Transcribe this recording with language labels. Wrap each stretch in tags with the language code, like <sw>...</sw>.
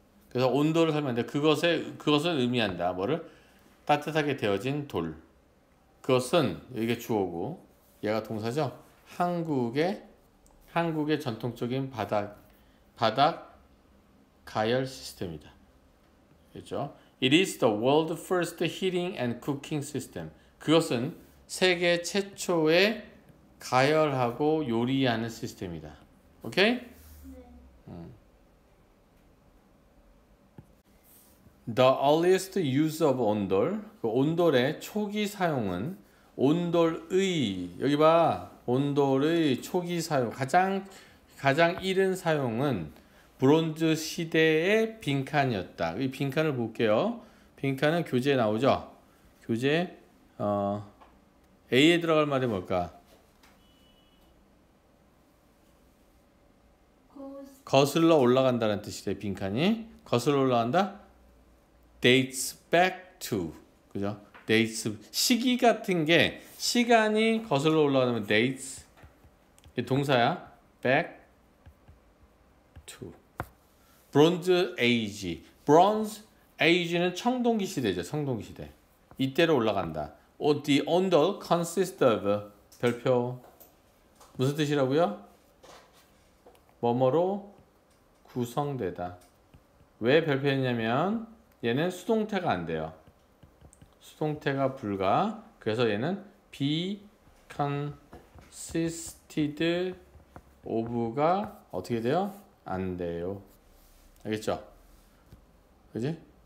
<ko>그래서 온돌을 설명인데 그것은 의미한다 뭐를 따뜻하게 되어진 돌. 그것은 이게 주어고 얘가 동사죠? 한국의 전통적인 바닥 가열 시스템이다. 그렇죠?</ko> <en>It is the world's first heating and cooking system.</en> <ko>그것은 세계 최초의 가열하고 요리하는 시스템이다. 오케이? 네.</ko> <en>The earliest use of 온돌.</en> <ko>그 온돌의 초기 사용은 온돌의 여기 봐. 온돌의 초기 사용 가장 이른 사용은 브론즈 시대의 빈칸이었다. 이 빈칸을 볼게요. 빈칸은 교재에 나오죠. 교재 A에 들어갈 말이 뭘까? 거슬러 올라간다는 뜻이래. 빈칸이 거슬러 올라간다.</ko> <en>Dates back to</en> <ko>그죠?</ko> <en>Dates</en> <ko>시기 같은 게 시간이 거슬러 올라가면</ko> <en>dates</en> <ko>이게 동사야.</ko> <en>Back to Bronze Age. Bronze Age</en> <ko>는 청동기 시대죠. 청동기 시대. 이때로 올라간다.</ko> <en>The under consists of</en> <ko>별표 무슨 뜻이라고요? 뭐뭐로 구성되다. 왜 별표였냐면 얘는 수동태가 안 돼요. 수동태가 불가. 그래서 얘는</ko> <en>be consisted of</en> <ko>가 어떻게 돼요? 안 돼요. 알겠죠? 그지?</ko>